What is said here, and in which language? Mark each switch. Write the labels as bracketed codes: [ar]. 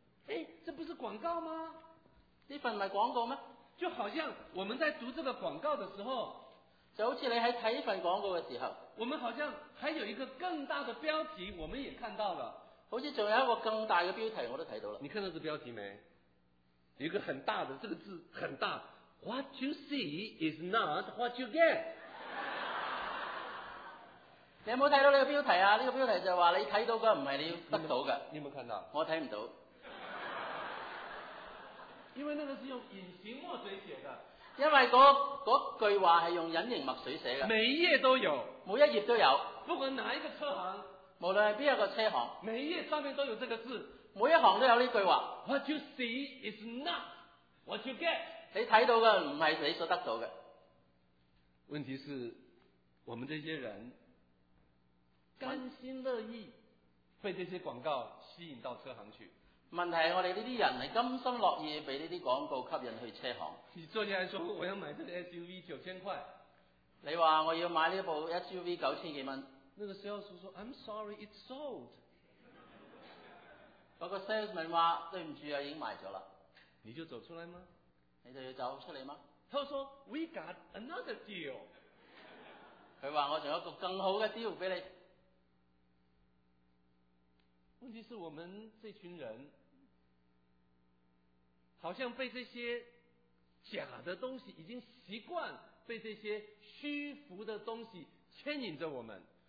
[zh] 哎，这不是广告吗？这份不是广告吗？就好像我们在读这个广告的时候，就好像你在看一份广告的时候，我们好像还有一个更大的标题我们也看到了，好像还有一个更大的标题我都看到了。你看到这标题没？有一个很大的，这个字很大， [en] What you see is not what you get。 [zh] 你有没有看到这个标题啊？这个标题就是说你看到的不是你要得到的。你有没有看到？我看不到，因为那个是用隐形墨水写的，因为那那句话是用隐形墨水写的，每一页都有，每一页都有，不管哪一个车行，无论是哪一个车行，每一页上面都有这个字，每一行都有这句话。 [en] What you see is not what you get。 [zh] 你看到的不是你所得到的。问题是，我们这些人甘心乐意被这些广告吸引到车行去。问题是我们这些人是甘心乐意被这些广告吸引去车行。你坐下来说我要买这个 SUV 9,000块，你说我要买这部 SUV 9,000几元，那个 sales 说 [en] I'm sorry it's sold， [zh] 那个 salesman 说对不起已经买了。你就走出来吗？你就要走出来吗？他说 [en] we got another deal， [zh] 他说我还有一个更好的 deal 给你。问题是我们这群人好像被这些假的东西，已经习惯被这些虚浮的东西牵引着我们。